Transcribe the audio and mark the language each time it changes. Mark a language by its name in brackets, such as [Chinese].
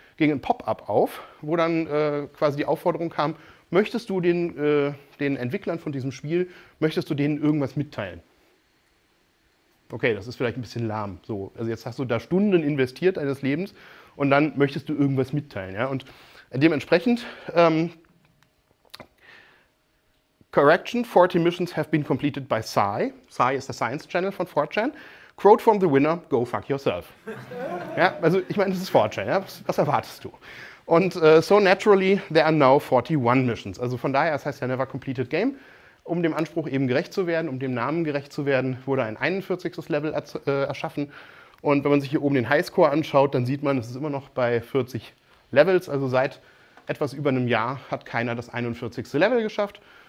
[German] ging ein Pop-up auf, wo dann quasi die Aufforderung kam, möchtest du den Entwicklern von diesem Spiel, möchtest du denen irgendwas mitteilen? Okay, das ist vielleicht ein bisschen lahm. So. Also jetzt hast du da Stunden investiert deines Lebens und dann möchtest du irgendwas mitteilen. Ja? Und dementsprechend, [English] correction, 40 missions have been completed by Psy. [German] Psy ist der Science Channel von 4chan. [English] Quote from the winner, go fuck yourself. [German] Ja, also ich meine, das ist 4chan, ja? Was erwartest du? Und so [English] naturally, there are now 41 missions. [German] Also von daher, es heißt ja never completed game. Um dem Anspruch eben gerecht zu werden, um dem Namen gerecht zu werden, wurde ein 41. Level erschaffen. Und wenn man sich hier oben den Highscore anschaut, dann sieht man, es ist immer noch bei 40 Levels. Also seit etwas über einem Jahr hat keiner das 41. Level geschafft.